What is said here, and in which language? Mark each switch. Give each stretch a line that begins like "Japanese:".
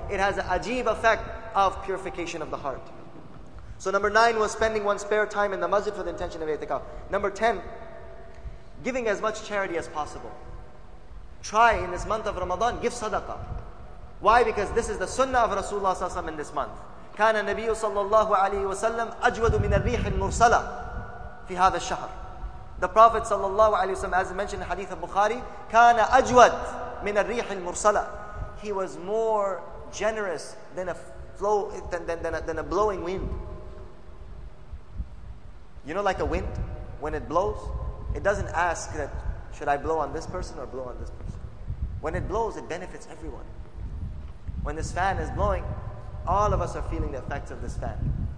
English: It has an ajeeb effect of purification of the heart. So number 9 was spending one spare time in the masjid for the intention of i'tikaf. Number 10, giving as much charity as possible. Try in this month of Ramadan, give sadaqah. Why? Because this is the sunnah of Rasulullah SAW in this month.
Arabic: كان النبي صلى الله عليه وسلم أجود من الريح المرسلة في هذا الشهر.
English: The Prophet
Arabic: صلى الله عليه وسلم,
English: as mentioned in Hadith of Bukhari,
Arabic: كان أجود من الريح المرسلة.
English: He was more generous than a flow, than a blowing wind. You know, like a wind, when it blows, it doesn't ask that, should I blow on this person or blow on this person? When it blows, it benefits everyone. When this fan is blowing, all of us are feeling the effects of this fan.